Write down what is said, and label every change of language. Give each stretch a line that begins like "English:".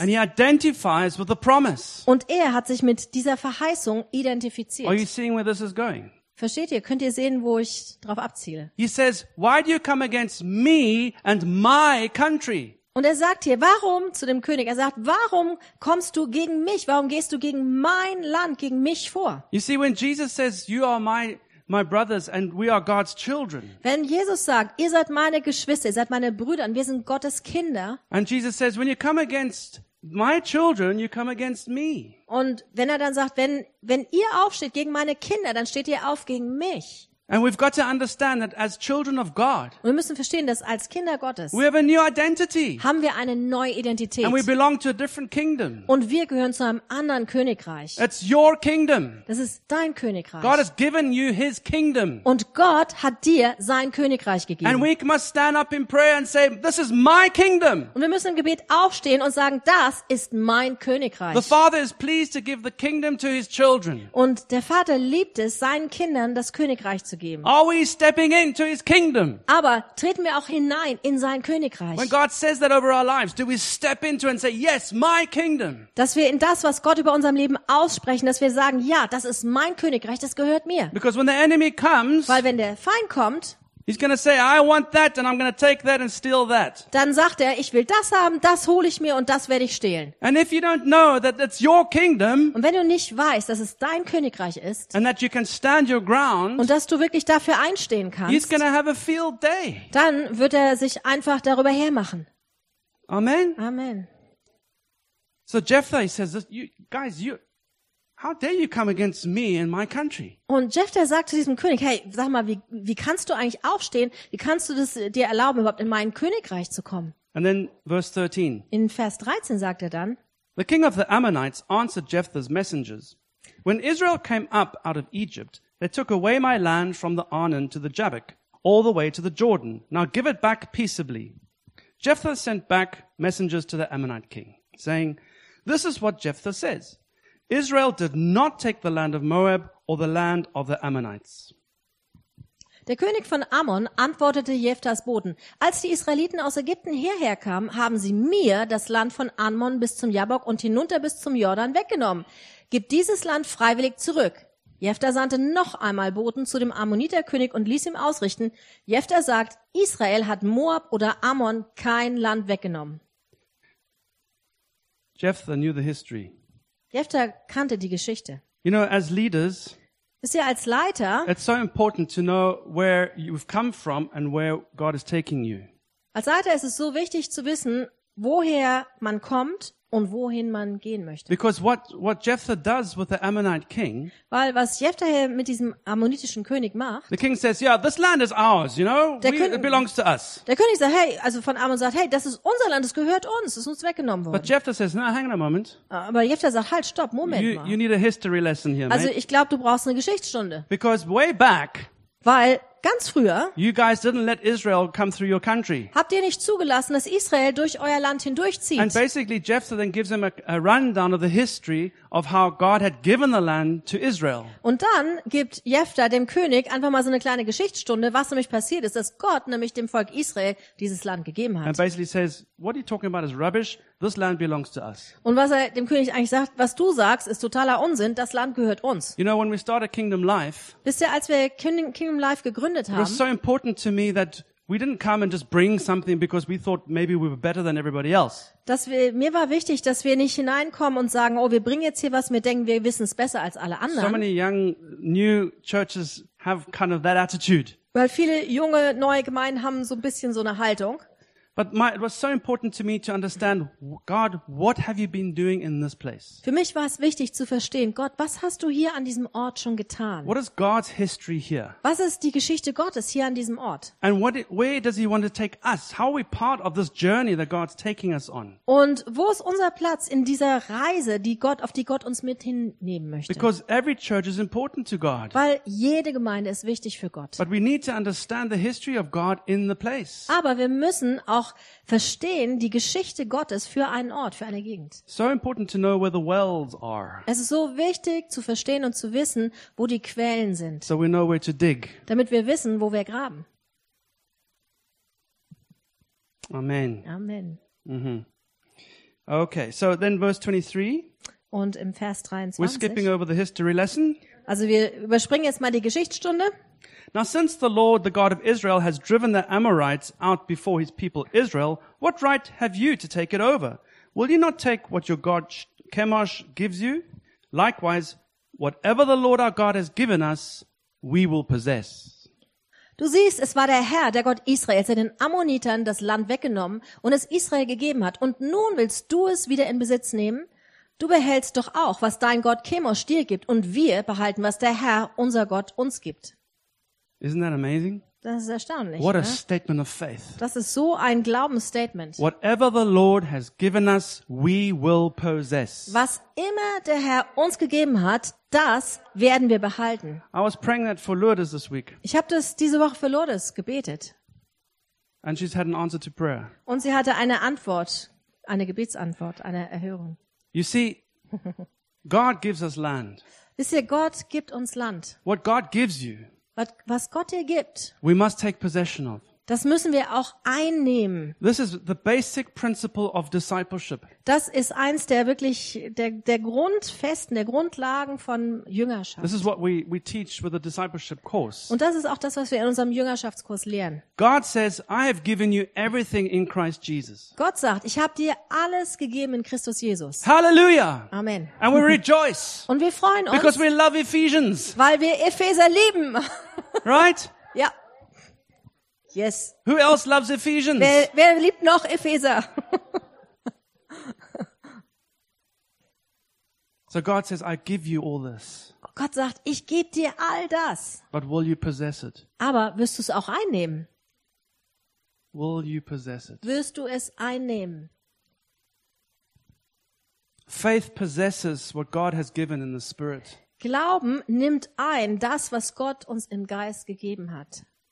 English: And he identifies with the promise.
German: Und er hat sich mit dieser Verheißung identifiziert.
English: Are you seeing where this is going?
German: Versteht ihr? Könnt ihr sehen, wo ich drauf abziele?
English: He says, "Why do you come against me and my country?"
German: Und er sagt hier, warum zu dem König? Er sagt, warum kommst du gegen mich? Warum gehst du gegen mein Land, gegen mich vor?
English: You see, when Jesus says, "You are my brothers and we are God's children."
German: Wenn Jesus sagt, ihr seid meine Geschwister, ihr seid meine Brüder und wir sind Gottes Kinder.
English: And Jesus says, "When you come against my children, you come against me."
German: Und wenn er dann sagt, wenn ihr aufsteht gegen meine Kinder, dann steht ihr auf gegen mich.
English: And we've got to understand that as children of God.
German: Wir müssen verstehen, dass als Kinder Gottes.
English: We have a new identity.
German: Haben wir eine neue Identität.
English: And we belong to a different kingdom.
German: Und wir gehören zu einem anderen Königreich.
English: It's your kingdom.
German: Das ist dein Königreich.
English: God has given you his kingdom.
German: Und Gott hat dir sein Königreich gegeben.
English: And we must stand up in prayer and say, "This is my kingdom."
German: Und wir müssen im Gebet aufstehen und sagen, das ist mein Königreich.
English: The Father is pleased to give the kingdom to his children.
German: Und der Vater liebt es, seinen Kindern das Königreich zu geben.
English: Are we stepping into his kingdom?
German: Aber treten wir auch hinein in sein Königreich?
English: When God says that over our lives, do we step into and say, "Yes, my kingdom"?
German: Dass wir in das, was Gott über unserem Leben aussprechen, dass wir sagen, ja, das ist mein Königreich, das gehört mir.
English: Because when the enemy comes,
German: weil wenn der Feind kommt,
English: he's gonna say, "I want that, and I'm gonna take that and steal that."
German: Dann sagt er, ich will das haben, das hole ich mir und das werde ich stehlen.
English: And if you don't know that it's your kingdom,
German: und wenn du nicht weißt, dass es dein Königreich ist,
English: and that you can stand your ground,
German: und dass du wirklich dafür einstehen kannst,
English: he's gonna have a field day.
German: Dann wird er sich einfach darüber hermachen.
English: Amen.
German: Amen.
English: So Jephthah says, how dare you come against me and my country?
German: Und Jephthah sagt zu diesem König, hey, sag mal, wie kannst du eigentlich aufstehen? Wie kannst du das dir erlauben, überhaupt in mein Königreich zu kommen?
English: And then verse 13.
German: In Vers 13 sagt er dann,
English: "The king of the Ammonites answered Jephthah's messengers. When Israel came up out of Egypt, they took away my land from the Arnon to the Jabbok, all the way to the Jordan. Now give it back peaceably. Jephthah sent back messengers to the Ammonite king, saying, 'This is what Jephthah says. Israel did not take the land of Moab or the land of the Ammonites.'"
German: Der König von Ammon antwortete Jephthas Boten: "Als die Israeliten aus Ägypten hierher kamen, haben sie mir das Land von Ammon bis zum Jabbok und hinunter bis zum Jordan weggenommen. Gib dieses Land freiwillig zurück." Jephthah sandte noch einmal Boten zu dem Ammoniterkönig und ließ ihm ausrichten: "Jephthah sagt, Israel hat Moab oder Ammon kein Land weggenommen."
English: Jephthah knew the history.
German: Jephthah kannte die Geschichte.
English: You know, as leaders,
German: ist ja als Leiter,
English: it's so important to know where you've come from and where God is taking you.
German: Als Leiter ist es so wichtig zu wissen, woher man kommt und wohin man gehen möchte.
English: Because what Jephthah does with the Ammonite king,
German: weil was Jephthah mit diesem ammonitischen König macht,
English: the king says, "Yeah, this land is ours, you know, it belongs to us."
German: Der König sagt, hey, also von Ammon sagt, hey, das ist unser Land, es gehört uns, es ist uns weggenommen worden.
English: But Jephthah says, "No, hang on a moment."
German: Aber Jephthah sagt, halt, stopp, Moment mal.
English: You need a history lesson here, mate.
German: Also ich glaube, du brauchst eine Geschichtsstunde.
English: Because way back,
German: weil ganz früher,
English: you guys didn't let Israel come through your country.
German: Habt ihr nicht zugelassen, dass Israel durch euer Land hindurchzieht?
English: And basically Jephthah then gives him a rundown of the history of how God had given the land to Israel.
German: Und dann gibt Jephthah dem König einfach mal so eine kleine Geschichtsstunde, was nämlich passiert ist, dass Gott nämlich dem Volk Israel dieses Land gegeben hat.
English: And basically says, "What are you talking about is rubbish. This land belongs to us."
German: Und was er dem König eigentlich sagt, was du sagst, ist totaler Unsinn. Das Land gehört uns.
English: You know, when we started Kingdom Life,
German: wisst ihr, als wir Kingdom Life gegründet haben,
English: it was so important to me that we didn't come and just bring something because we thought maybe we were better than everybody else.
German: Mir war wichtig, dass wir nicht hineinkommen und sagen, oh, wir bringen jetzt hier was, wir denken, wir wissen es besser als alle anderen.
English: So many young new churches have kind of that attitude.
German: Weil viele junge neue Gemeinden haben so ein bisschen so eine Haltung.
English: But my, it was so important to me to understand, God, what have you been doing in this place?
German: Für mich war es wichtig zu verstehen, Gott, was hast du hier an diesem Ort schon getan?
English: What is God's history here?
German: Was ist die Geschichte Gottes hier an diesem Ort?
English: And what, where does he want to take us? How are we part of this journey that God's taking us on?
German: Und wo ist unser Platz in dieser Reise, die Gott, auf die Gott uns mit hinnehmen möchte?
English: Because every church is important to God.
German: Weil jede Gemeinde ist wichtig für Gott.
English: But we need to understand the history of God in the place.
German: Aber wir müssen auch verstehen die Geschichte Gottes für einen Ort, für eine Gegend.
English: So important to know where the wells are.
German: Es ist so wichtig zu verstehen und zu wissen, wo die Quellen sind.
English: So we know where to dig.
German: Damit wir wissen, wo wir graben.
English: Amen.
German: Amen.
English: Mm-hmm. Okay, so then verse 23.
German: Und im Vers 23.
English: We're skipping over the history lesson.
German: Also wir überspringen jetzt mal die Geschichtsstunde.
English: Now since the Lord, the God of Israel, has driven the Amorites out before his people Israel, what right have you to take it over? Will you not take what your God Chemosh gives you? Likewise, whatever the Lord our God has given us, we will possess.
German: Du siehst, es war der Herr, der Gott Israels, der den Ammonitern das Land weggenommen und es Israel gegeben hat. Und nun willst du es wieder in Besitz nehmen? Du behältst doch auch, was dein Gott Chemosh dir gibt und wir behalten, was der Herr, unser Gott, uns gibt.
English: Isn't that amazing?
German: Das ist erstaunlich.
English: What
German: ne?
English: a statement of faith.
German: Das ist so ein Glaubensstatement.
English: Whatever the Lord has given us, we will possess.
German: Was immer der Herr uns gegeben hat, das werden wir behalten.
English: I was praying that for Lourdes this week.
German: Ich habe das diese Woche für Lourdes gebetet.
English: And she's had an answer to prayer.
German: Und sie hatte eine Antwort, eine Gebetsantwort, eine Erhörung.
English: You see, God gives us land.
German: Wisst ihr, Gott gibt uns Land.
English: What God gives you.
German: Was Gott dir gibt,
English: we must take possession of.
German: Das müssen wir auch einnehmen.
English: This is the basic principle of discipleship.
German: Das ist eins der wirklich der Grundfesten, der Grundlagen von Jüngerschaft.
English: This is what we teach with the discipleship course.
German: Und das ist auch das, was wir in unserem Jüngerschaftskurs lehren.
English: God says, I have given you everything in Christ Jesus.
German: Gott sagt, ich habe dir alles gegeben in Christus Jesus.
English: Hallelujah.
German: Amen.
English: And we rejoice.
German: Und wir freuen uns.
English: Because we love Ephesians.
German: Weil wir Epheser lieben.
English: Right?
German: Ja.
English: Yes. Who else loves Ephesians?
German: Wer liebt noch Epheser?
English: So God says, I give you all this.
German: Gott sagt, ich gebe dir all das.
English: But will you possess it?
German: Aber wirst du es auch einnehmen?
English: Will you possess it?
German: Wirst du es einnehmen?
English: Faith possesses what God has given in the Spirit.
German: Glauben nimmt ein das, was Gott uns im Geist gegeben hat.